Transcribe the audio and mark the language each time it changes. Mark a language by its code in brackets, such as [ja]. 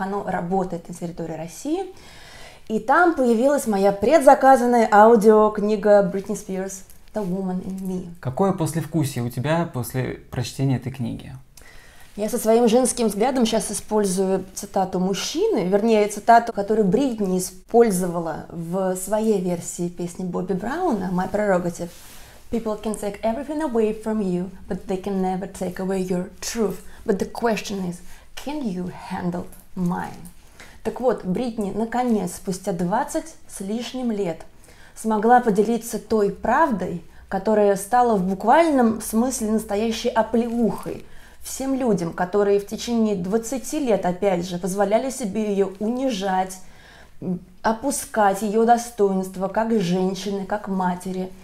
[ru] Оно работает на территории России. И там появилась моя предзаказанная аудиокнига Britney Spears «The Woman in Me». Какое послевкусие у тебя после прочтения этой книги? Я со своим женским взглядом сейчас использую цитату мужчины, вернее, цитату, которую Бритни использовала в своей версии песни Бобби Брауна «My Prerogative». [en] «People can take everything away from you, but they can never take away your truth. But the question is, can you handle mine?» [ru] Так вот, Бритни, наконец, спустя 20 с лишним лет, смогла поделиться той правдой, которая стала в буквальном смысле настоящей оплеухой всем людям, которые в течение 20 лет, опять же, позволяли себе ее унижать, опускать ее достоинства как женщины, как матери.